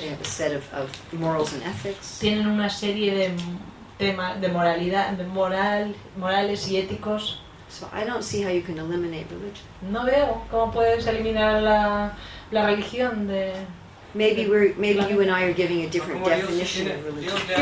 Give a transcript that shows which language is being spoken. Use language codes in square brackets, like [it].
[en] They have a set of morals and ethics. [es] Tienen una serie de temas de moralidad, de morales y éticos. [en] So I don't see how you can eliminate religion. [es] No veo cómo puedes eliminar la religión de. [en] Maybe you and I are giving a different definition of religion.